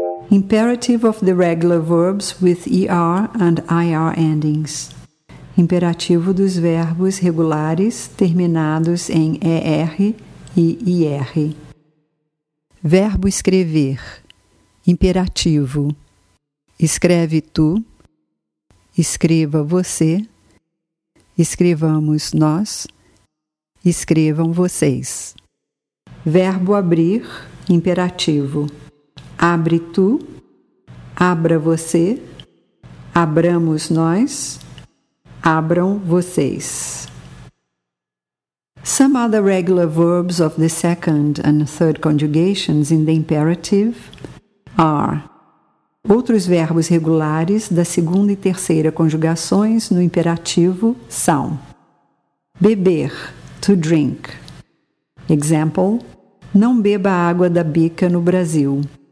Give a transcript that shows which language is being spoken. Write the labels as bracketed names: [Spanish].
[English] Imperative of the regular verbs with ER and IR endings. [Portuguese] Imperativo dos verbos regulares terminados em ER e IR. Verbo escrever. Imperativo. Escreve tu. Escreva você. Escrevamos nós. Escrevam vocês. Verbo abrir. Imperativo. Abre tu, abra você, abramos nós, abram vocês. [English] Some other regular verbs of the second and third conjugations in the imperative are. [Portuguese] Outros verbos regulares da segunda e terceira conjugações no imperativo são. Beber, [English] to drink. Example: [Portuguese] Não beba água da bica no Brasil.